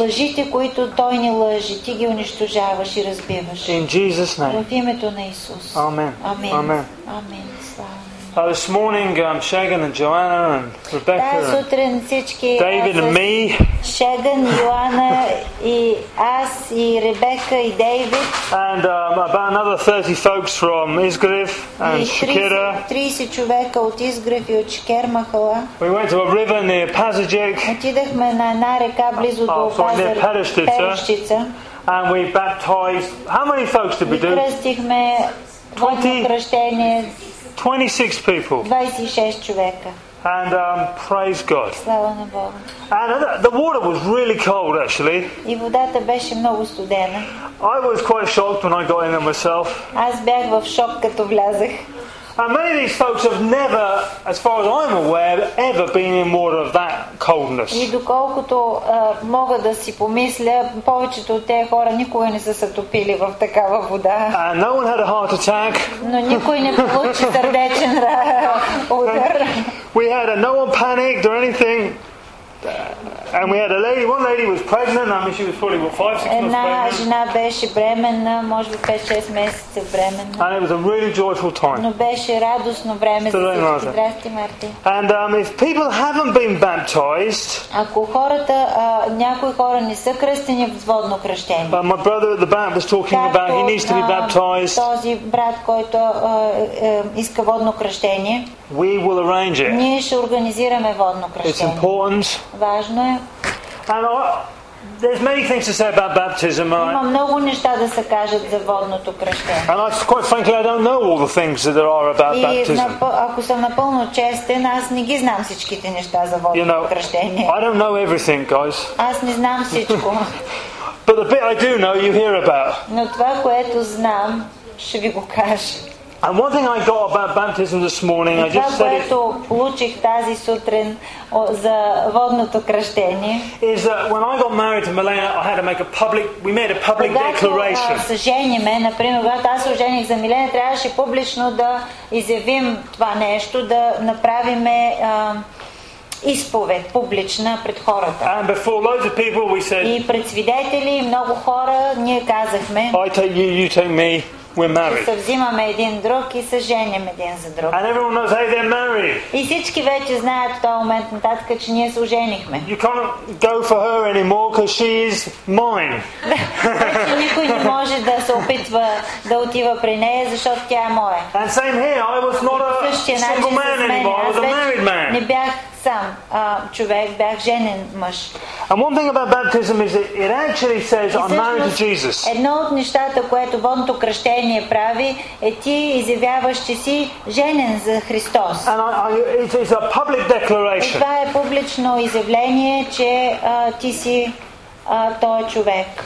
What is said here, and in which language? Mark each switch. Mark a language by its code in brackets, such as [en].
[bg] Лъжите, които той ни лъжи, ти ги унищожаваш и разбиваш. [en] In Jesus' name. [bg] В името на Исус. [en] Amen. Amen. Amen. Amen. This morning, Shagan and Joanna and Rebecca and David and me. Shagan, Joanna, us, Rebecca, and David. And about another 30 folks from Izgrif and Shkira. [bg] 30 човека от Изгрев и от Шкермахала. [en] We went to a river near Pazajik. [bg] Отидахме на една река близо до [en] Перещица. And we baptized. How many folks did we do? 20. 26 people. [bg] 26 човека. [en] And praise God. And the water was really cold, actually. [bg] И водата беше много студена. [en] I was quite shocked when I got in there myself. [bg] Аз бях в шок като влязах. [en] And many of these folks have never, as far as I'm aware, ever been in water of that coldness. [bg] И доколкото мога да си помисля, повечето от тези хора никога не са се топили в такава вода. [en] And no one had a heart attack. [bg] Но никой не получи сърдечен удар. [en] We had no one panicked or anything. And we had one lady was pregnant, I mean she was probably 5-6 months pregnant. [bg] Една жена беше бременна, може би 5-6 месеца бременна. [en] And it was a really joyful time. [bg] Но беше радостно време за всички. Здрасти, Марти. [en] And if people haven't been baptized, [bg] ако хората, някои хора не са кръстени в водно кръщение. [en] But my brother at the back was talking about he needs to be baptized. [bg] Този брат, който иска водно кръщение. [en] We will arrange it. [bg] Ние ще организираме водно кръщение. [en] It's important. [bg] Важно е. [en] And there's many things to say about baptism. [bg] Има много неща да се кажат за водното кръщение. [en] And I, quite frankly, I don't know all the things that there are about baptism. [bg] Ако съм напълно честен, аз не ги знам всичките неща за водното кръщение. [en] I don't know everything, guys. [bg] Аз не знам всичко. [en] But the bit I do know, you hear about. [bg] Но това, което знам, ще ви го кажа. [en] And one thing I got about baptism this morning, I just said it. [bg] Получих тази сутрин за водното кръщение. [en] Is that when I got married to Milena, I had to make a public. We made a public declaration. [bg] Когато съжениме, например, когато аз ожених за Милена, трябваше публично да изявим това нещо, да направиме изповед публична пред хората. [en] And before loads of people, we said. [bg] И пред свидетели и много хора ние казахме. [en] I take you, you take me. We're married. [bg] Се взимаме един друг и се женим един за друг. [en] And everyone knows, hey, they're married. [bg] И всички вече знаят в този момент нататък, че ние се оженихме. [en] You can't go for her anymore because she is mine. [bg] Вече никой не може да се опитва да отива при нея, защото тя е моя. [en] And same here, I was not a single man anymore. I was a married man. [bg] Не бях сам човек, бях женен мъж. [en] And one thing about baptism is it actually says I'm married to Jesus. [bg] Едно от нещата, което водното кръщение прави, е ти изявяваш, че си женен за Христос. [en] And it's a public declaration. [bg] Това е публично изявление, че ти си той човек.